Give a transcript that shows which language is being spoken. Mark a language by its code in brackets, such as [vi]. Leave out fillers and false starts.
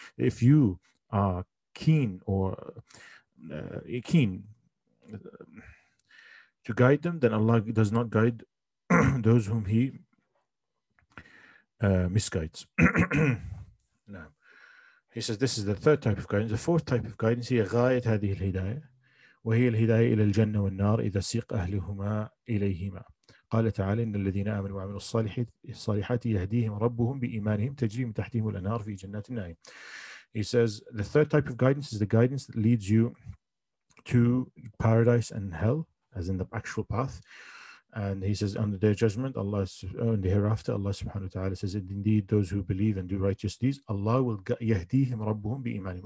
[en] If you are keen or keen to guide them, then Allah does not guide those whom he misguides. No. He says this is the third type of guidance. The fourth type of guidance, he ghayat hadhihi al-hidayah. [ar] وهي الهداية إلى الجنة والنار إذا سيق أهلهما إليهما. قال تعالى إن الذين آمنوا وعملوا الصالحات يهديهم ربهم بإيمانهم تجري من تحتهم الأنهار في جنات النعيم. [en] He says the third type of guidance is the guidance that leads you to paradise and hell, as in the actual path. And he says on the day of judgment, Allah in the hereafter, Allah subhanahu wa ta'ala says, indeed those who believe and do righteous deeds, Allah will [ar] يهديهم ربهم بإيمانهم.